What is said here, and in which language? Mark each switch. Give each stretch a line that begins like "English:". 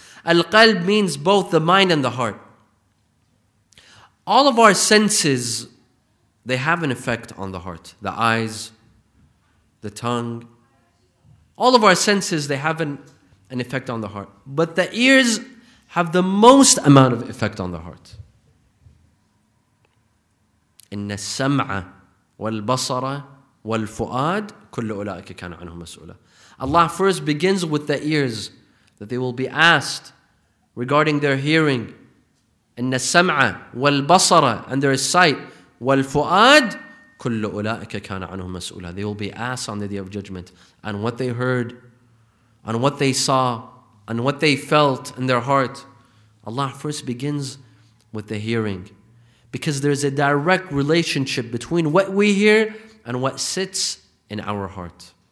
English: Al-qalb means both the mind and the heart. All of our senses, they have an effect on the heart. The eyes, the tongue. All of our senses, they have an effect on the heart. But the ears have the most amount of effect on the heart.
Arabic: إن السمع والبصر والفؤاد كل أولئك كان عنه مسؤولا.
English: Allah first begins with the ears, that they will be asked regarding their hearing.
Arabic: إن السمع والبصر,
English: and their sight.
Arabic: والفؤاد كُلُّ أُولَٰئِكَ كَانَ عَنْهُمْ مَسْؤُولًا.
English: They will be asked on the day of judgment on what they heard, on what they saw, on what they felt in their heart. Allah first begins with the hearing, because there's a direct relationship between what we hear and what sits in our heart.